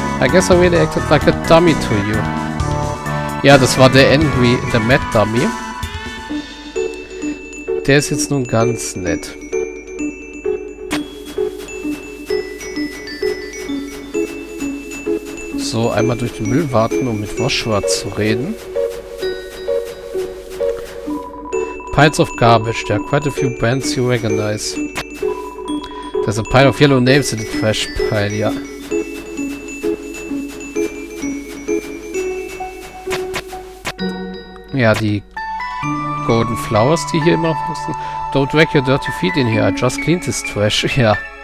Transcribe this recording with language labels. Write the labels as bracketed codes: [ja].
[en] I guess I really acted like a dummy to you. [de] Ja, das war der Angry, der Mad Dummy. Der ist jetzt nun ganz nett. So, einmal durch den Müll warten, um mit Woshua zu reden. [en] Piles of garbage, there are quite a few brands you recognize. There's a pile of yellow names in the trash pile, ja. [de] Ja, die Golden Flowers, die hier immer aufwachsen. [en] Don't wreck your dirty feet in here, I just cleaned this trash, ja.